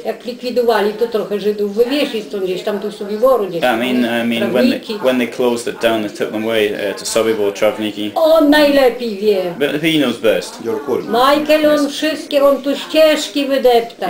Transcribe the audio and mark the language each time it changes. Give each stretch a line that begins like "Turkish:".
Polish: Jak likwidowali, to trochę Żydów wywieźli stąd gdzieś, tam do Sobiboru gdzieś.
English: I mean when they closed it down, they took them away to Sobibor, Travniki.
Polish: On najlepiej wie.
English: But he knows best.
Polish: Michael, on wszystkie, on tu ścieżki wydeptał.